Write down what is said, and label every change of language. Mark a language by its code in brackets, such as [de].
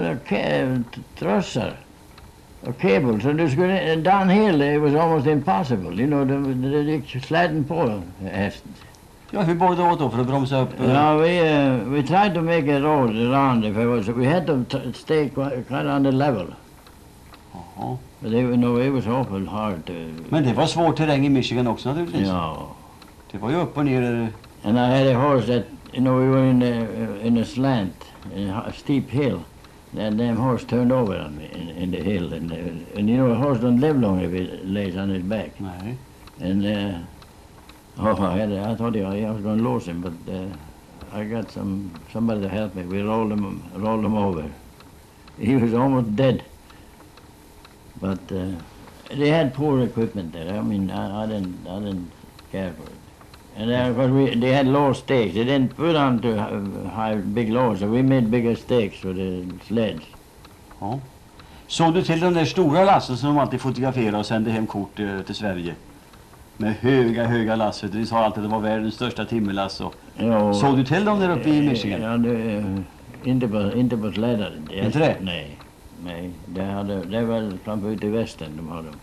[sv] Ja, trossar och kabel, så du skulle, [en] downhill, it was almost impossible, you know, [sv] det gick släden på hästen. Ja, hur borde det åt då för att bromsa upp? [en] Ja, we tried to make it all around, if it was, we had to stay quite on the level. [sv] Ja. [en] It was awful hard to... [sv] Men det var svårt terräng i Michigan också naturligtvis. Ja. Det var ju upp och ner. [en] And I had a horse that, you know, we were in a slant, in a steep hill. That damn horse turned over on me in the hill. And you know, a horse don't live long if it lays on his back. [sv] Nej. [en] And, I thought I was going to lose him, but I got somebody to help me. We rolled him over. He was almost dead. But they had poor equipment there. I mean, I didn't care for it. And of course, they had low stakes. They didn't put on to high, big loads, so we made bigger stakes for the sleds. [sv] Ja. Såg du till de där stora lassen som de alltid fotograferade och sände hem kort till Sverige? Med höga, höga lass. Du sa alltid att det var världens största timmerlass. Såg du till dem där uppe i Michigan? Ja, inte på släder. Inte det? Nej. Nej, det hade, det var framför ute i västern de hade.